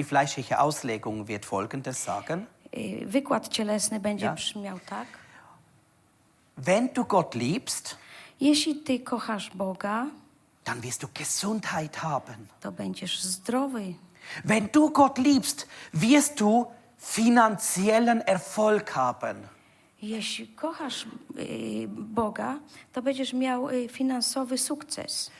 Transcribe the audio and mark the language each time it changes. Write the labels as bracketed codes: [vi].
[de] Die fleischliche Auslegung wird folgendes sagen. [pl] Wykład cielesny będzie brzmiał tak. [de] Wenn du Gott liebst, [pl] jeśli ty kochasz Boga, [de] dann wirst du Gesundheit haben. [pl] To będziesz zdrowy. [de] Wenn du Gott liebst, wirst du finanziellen Erfolg haben. [pl] Jeśli kochasz Boga, to będziesz miał finansowy sukces.